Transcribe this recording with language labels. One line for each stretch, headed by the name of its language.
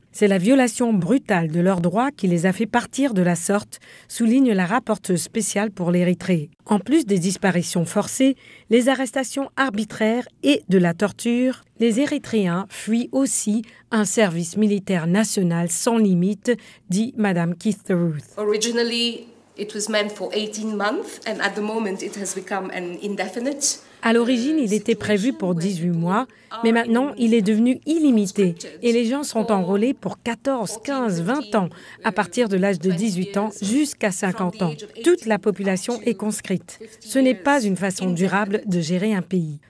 French: C'est la violation brutale de leurs droits qui les a fait partir de la sorte, souligne la rapporteuse spéciale pour l'Érythrée. En plus des disparitions forcées, les arrestations arbitraires et de la torture, les Érythréens fuient aussi un service militaire national sans limite, dit Madame Keith Ruth.
English: Originally, it was meant for 18 months, and at the moment, it has become an indefinite.
French: À l'origine, il était prévu pour 18 mois, mais maintenant, il est devenu illimité et les gens sont enrôlés pour 14, 15, 20 ans, à partir de l'âge de 18 ans jusqu'à 50 ans. Toute la population est conscrite. Ce n'est pas une façon durable de gérer un pays.